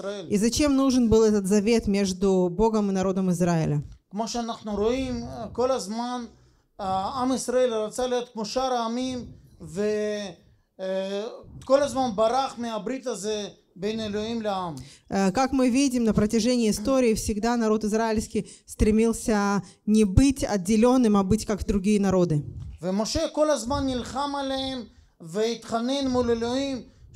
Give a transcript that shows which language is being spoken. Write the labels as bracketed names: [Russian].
[Russian] И зачем нужен был этот завет между Богом и народом Израиля? [Hebrew] כמו שאנחנו רואים, כל הזמן עם ישראל רצה להיות כמו שאר העמים וכל הזמן ברח מהברית הזה בין אלוהים לעם. [Russian] Как мы видим, на протяжении истории всегда народ израильский стремился не быть отделенным, а быть как другие народы. [Hebrew] ומשה כל הזמן נלחם עליהם והתחנן מול אלוהים.